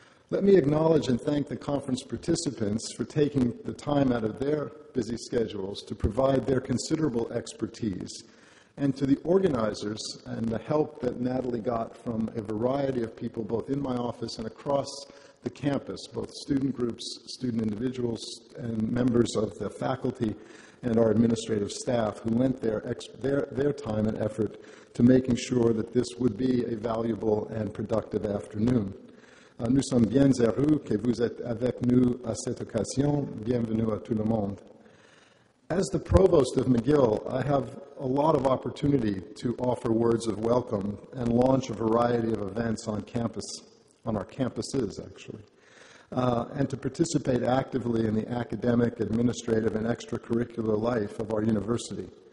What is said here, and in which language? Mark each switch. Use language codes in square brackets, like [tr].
[en] Let me acknowledge and thank the conference participants for taking the time out of their busy schedules to provide their considerable expertise, and to the organizers and the help that Natalie got from a variety of people, both in my office and across the campus, both student groups, student individuals, and members of the faculty and our administrative staff who lent their time and effort to making sure that this would be a valuable and productive afternoon. [fr] Nous sommes bien heureux que vous êtes avec nous à cette occasion. Bienvenue à tout le monde. [en] As the provost of McGill, I have a lot of opportunity to offer words of welcome and launch a variety of events on campus, on our campuses, actually, and to participate actively in the academic, administrative, and extracurricular life of our university.